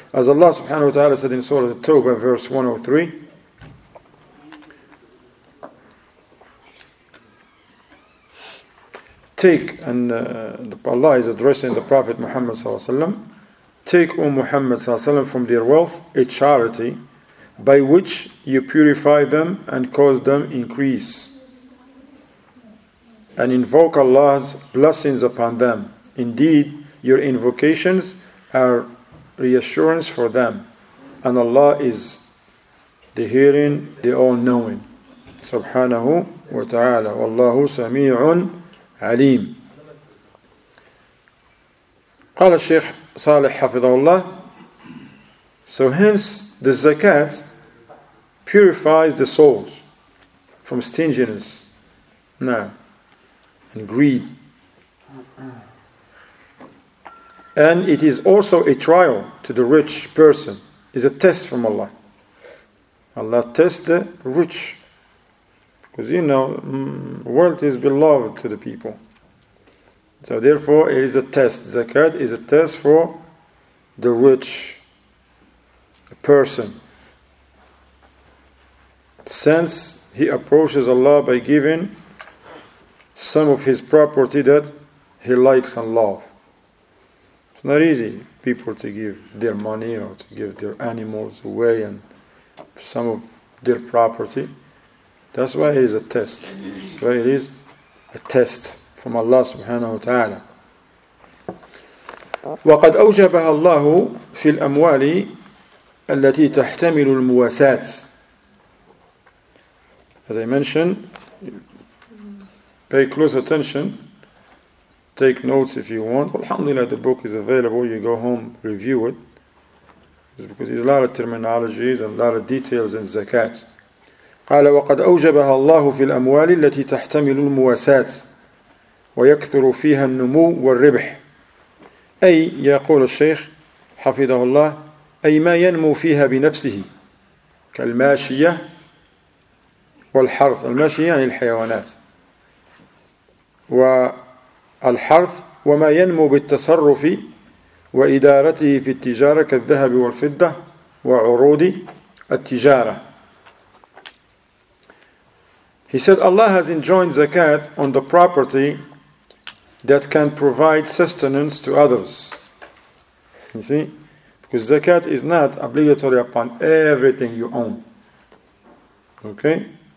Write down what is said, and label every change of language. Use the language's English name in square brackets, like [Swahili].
[English] As Allah [Arabic] سبحانه وتعالى [English] said in Surah At-Tawbah, verse 103, take, and Allah is addressing the Prophet Muhammad ﷺ, take, O Muhammad ﷺ, from their wealth a charity by which you purify them and cause them increase, and invoke Allah's blessings upon them. Indeed, your invocations are reassurance for them, and Allah is the hearing, the all-knowing. [Arabic] Subhanahu wa ta'ala. Wallahu sami'un عليم. قال الشيخ صالح حفظه الله. [English] So hence the zakat purifies the souls from stinginess, and greed. And it is also a trial to the rich person. It's a test from Allah. Allah tests the rich. Because you know, wealth is beloved to the people. So therefore, it is a test. Zakat is a test for the rich person. Since he approaches Allah by giving some of his property that he likes and loves. It's not easy, people to give their money or to give their animals away and some of their property. That's why it is a test. That's why it is a test from Allah subhanahu wa ta'ala. [Arabic] وَقَدْ أَوْجَبَهَا اللَّهُ فِي الْأَمْوَالِ الَّتِي تَحْتَمِلُ الْمُوَاسَاتِ. [English] As I mentioned, pay close attention take notes if you want. But alhamdulillah, the book is available. You go home, review it. It's because there's a lot of terminologies and a lot of details in zakat. [Arabic] قال وقد أوجبها الله في الأموال التي تحتمل المواساة ويكثر فيها النمو والربح. أي يقول الشيخ حفظه الله أي ما ينمو فيها بنفسه كالماشية والحرث. الماشية يعني الحيوانات والحرث وما ينمو بالتصرف وإدارته في التجارة كالذهب والفضة وعروض التجارة. [English] He said Allah has enjoined zakat on the property that can provide sustenance to others. You see? Because zakat is not obligatory upon everything you own. Okay?